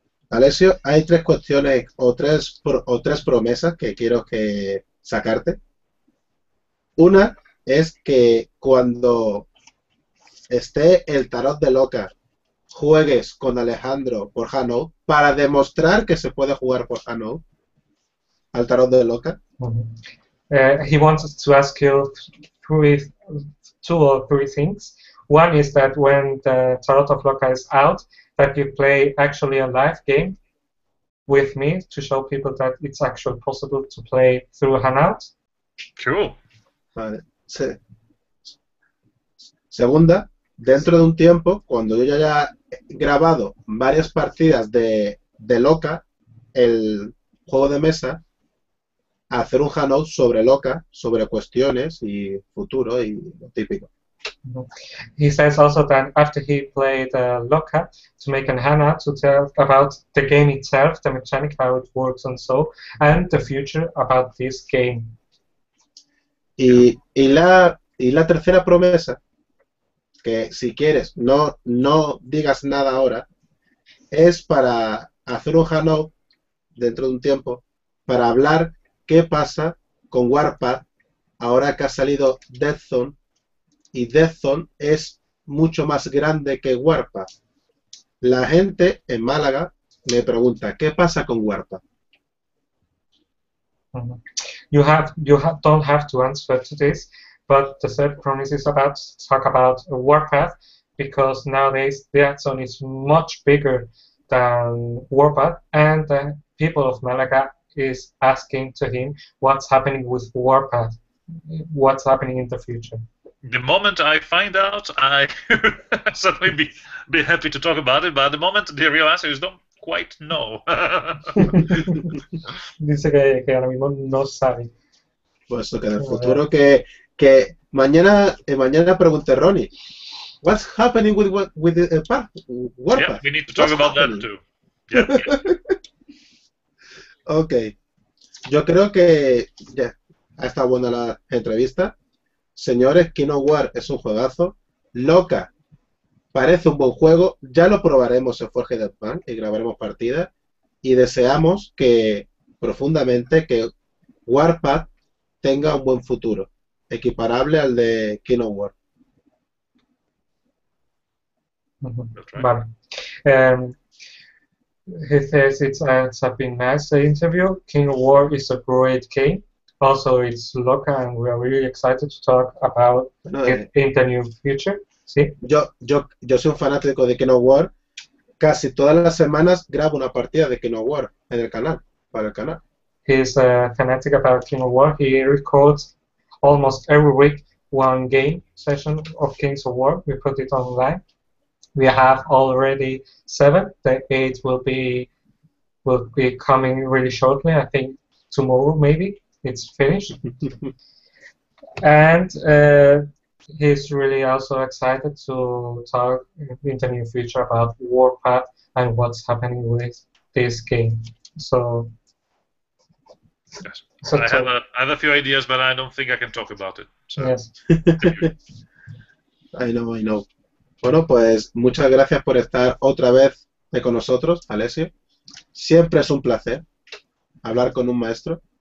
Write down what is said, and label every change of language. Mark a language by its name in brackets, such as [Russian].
[Spanish] Alessio, hay tres cuestiones o tres promesas que quiero que sacarte. Una es que cuando esté el tarot de Loca, juegues con Alejandro por Hanou para demostrar que se puede jugar por Hanou al tarot de Loca. [English] He wants to ask you two or three things. One is that when the tarot of Loca is out, that you play actually a live game with me to show people that it's actually possible to play through Hanou. Cool. [Spanish] Vale. Sí. Segunda. Dentro de un tiempo, cuando yo ya haya grabado varias partidas de Loca, el juego de mesa, hacer un Hanout sobre Loca, sobre cuestiones y futuro y lo típico. [English] He says also that after he played Loca, to make a Hanout to tell about the game itself, the mechanic, how it works and so, and the future about this game. [Spanish] Y la tercera promesa, que si quieres no digas nada ahora, es para hacer un Hanout dentro de un tiempo para hablar qué pasa con Warpath ahora que ha salido Deathzone, y Deathzone es mucho más grande que Warpath. La gente en Málaga me pregunta qué pasa con Warpath. [English] You don't have to answer to this. But the third promise is about to talk about Warpath, because nowadays the Deathzone is much bigger than Warpath, and the people of Malaga is asking to him what's happening with Warpath, what's happening in the future. The moment I find out, I certainly be happy to talk about it, but at the moment the real answer is don't quite know. [Spanish] Dice que ahora mismo no sabe. Pues que en el futuro que mañana pregunte Ronnie. [English] What's happening with the Warpath? Yeah, we need to talk about that too. Yeah. Okay. [Spanish] Yo creo que ya ha estado buena la entrevista. Señores, Kino War es un juegazo. Loca. Parece un buen juego. Ya lo probaremos en Forge Dead Punk y grabaremos partidas. Y deseamos que profundamente que Warpath tenga un buen futuro, equiparable al de Kino War. [English] Vale. He says it has been nice interview. King of War is a great game. Also, it's Loca, and we are really excited to talk about it in the new future. [Spanish] Sí. Yo soy un fanático de King of War. Casi todas las semanas grabo una partida de King of War en el canal, para el canal. [English] He's a fanatic about King of War. He records almost every week one game session of Kings of War. We put it online. We have already 7. The 8 will be coming really shortly. I think tomorrow maybe it's finished. And he's really also excited to talk in the near future about Warpath and what's happening with this game. So, yes. I have a few ideas, but I don't think I can talk about it. So. Yes. I know. [Spanish] Bueno, pues muchas gracias por estar otra vez con nosotros, Alessio. Siempre es un placer hablar con un maestro.